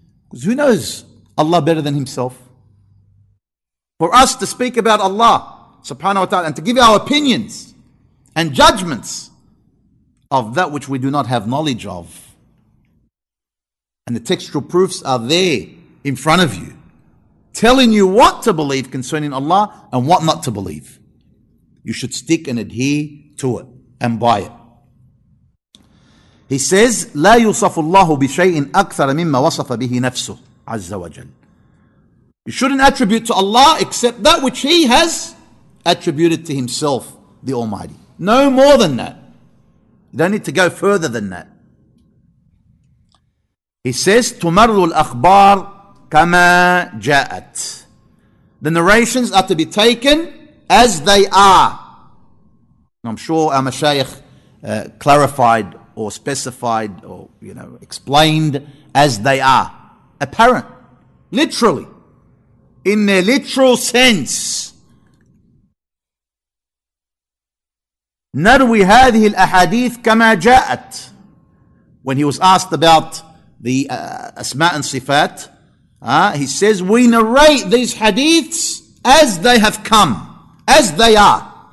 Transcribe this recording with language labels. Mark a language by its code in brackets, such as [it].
[en] Because who knows Allah better than Himself? For us to speak about Allah subhanahu wa ta'ala and to give our opinions and judgments of that which we do not have knowledge of. And the textual proofs are there in front of you, telling you what to believe concerning Allah and what not to believe. You should stick and adhere to it and by it. He says, [ar] لا يوصف الله بشيء أكثر مما وصف به نفسه عز وجل. [en] You shouldn't attribute to Allah except that which He has attributed to Himself, the Almighty. No more than that. You don't need to go further than that. He says, [ar] تُمَرُّ الْأَخْبَارُ كَمَا جَاءَتْ. [en] The narrations are to be taken as they are. And I'm sure our mashayikh clarified or specified or, you know, explained as they are. Apparent. Literally. In their literal sense. [ar] نروي هذه الأحاديث كما جاءت. [en] When he was asked about the asma and sifat, he says, we narrate these hadiths as they have come, as they are.